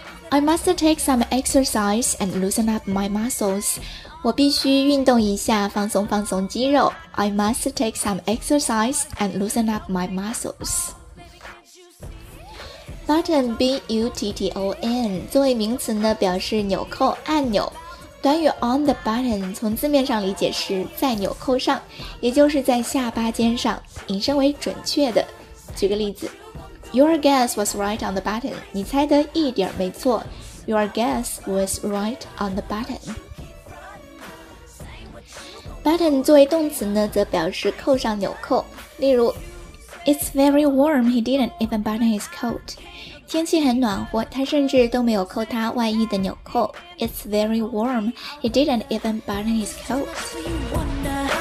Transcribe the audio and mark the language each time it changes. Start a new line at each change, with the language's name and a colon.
English: I must take some exercise and loosen up my muscles.
Chinese: 我必须运动一下，放松放松肌肉。
English: I must take some exercise and loosen up my muscles.
Chinese: Button, B-U-T-T-O-N, 作为名词呢表示纽扣按钮。短语
English: on the button
Chinese: 从字面上理解是在纽扣上，也就是在下巴尖上，引申为准确的。举个例子，
English: Your guess was right on the button.
Chinese: 你猜得一点没错。
English: Your guess was right on the button. Button
Chinese: 作为动词呢则表示扣上纽扣，例如
English: It's very warm, he didn't even button his coat.
Chinese: 天气很暖和，他甚至都没有扣他外衣的纽扣。
English: It's very warm, he didn't even button his coat.